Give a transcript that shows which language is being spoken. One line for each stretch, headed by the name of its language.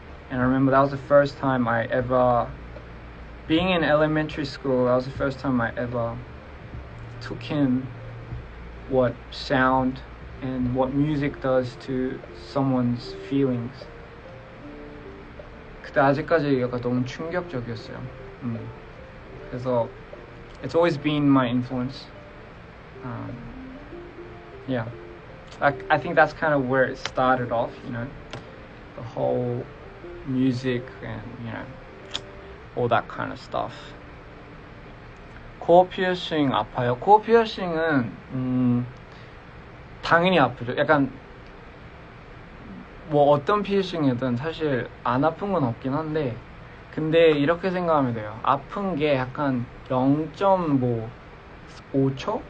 English: And I remember that was the first time I ever. Being in elementary school, that was the first time I ever took in what sound and what music does to someone's feelings.
Korean: 그때 아직까지 약간 너무 충격적이었어요. 그래서
English: it's always been my influence. Yeah, I think that's kind of where it started off, you know, the whole music and, you know, all that kind of stuff.
Korean: 코어 피어싱 아파요? 코어 피어싱은 당연히 아프죠. 약간 뭐 어떤 피어싱이든 사실 안 아픈 건 없긴 한데, 근데 이렇게 생각하면 돼요. 아픈 게 약간 0.5초?